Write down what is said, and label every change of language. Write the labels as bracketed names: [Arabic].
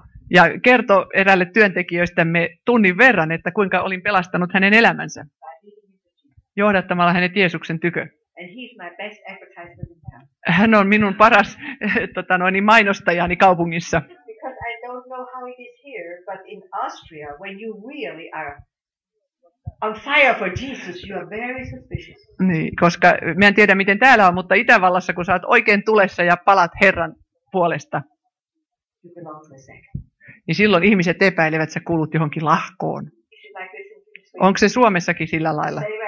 [Finnish] Ja kertoi eräälle työntekijöistämme tunnin verran, että kuinka olin pelastanut hänen elämänsä. Johdattamalla hänet Jeesuksen tykö. [English] And he's my best advertiser in town. [Finnish] Hän on minun paras mainostajani kaupungissa. [English] Because I don't know how it is here, but in Austria, when you really are on fire for Jesus, you are very suspicious. [Finnish] Niin, koska mä en tiedä, miten täällä on, mutta Itävallassa, kun sä oot oikein tulessa ja palat Herran puolesta, [English] you belong to a second. [Finnish] Niin silloin ihmiset epäilevät, että sä kuulut johonkin lahkoon. Onko se Suomessakin sillä lailla?